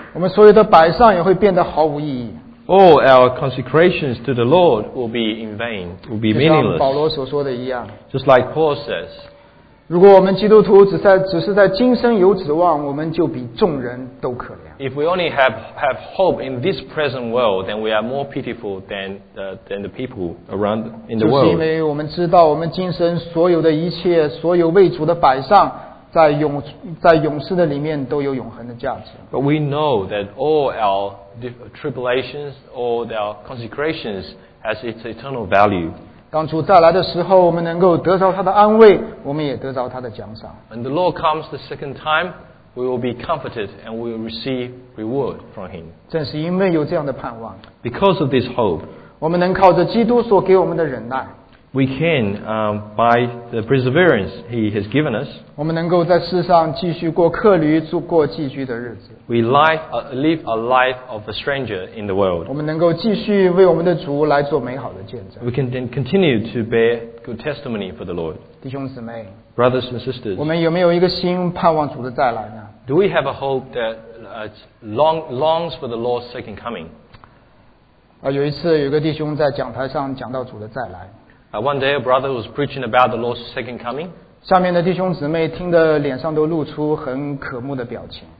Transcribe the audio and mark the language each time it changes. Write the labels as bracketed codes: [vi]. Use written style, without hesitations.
[zh] 我们所有的摆上也会变得毫无意义。 [en] All our consecrations to the Lord will be in vain, will be meaningless. [zh] 就像保罗所说的一样。 [en] Just like Paul says. [zh] 如果我们基督徒只是在今生有指望，我们就比众人都可怜。 [en] If we only have hope in this present world, then we are more pitiful than the people around in the world. [zh] 就是因为我们知道，我们今生所有的一切，所有为主的摆上，在勇士的里面都有永恒的价值。 [en] But we know that all our tribulations, all our consecrations, has its eternal value. [zh] 当主再来的时候，我们能够得着他的安慰，我们也得着他的奖赏。 [en] When the Lord comes the second time, we will be comforted and we will receive reward from Him. [zh] 正是因为有这样的盼望。 [en] Because of this hope, [zh] 我们能靠着基督所给我们的忍耐。 [en] we can, by the perseverance He has given us, [zh] 我们能够在世上继续过客旅，过寄居的日子。 [en] We live a life of a stranger in the world. [zh] 我们能够继续为我们的主来做美好的见证。 [en] We can then continue to bear good testimony for the Lord. [zh] 弟兄姊妹 [en] ，brothers and sisters, [zh] 我们有没有一个心盼望主的再来呢 [en] ？Do we have a hope that longs for the Lord's second coming? [zh] 有一次有一个弟兄在讲台上讲到主的再来。 [en] One day, a brother was preaching about the Lord's second coming. [zh] 下面的弟兄姊妹听得脸上都露出很渴慕的表情。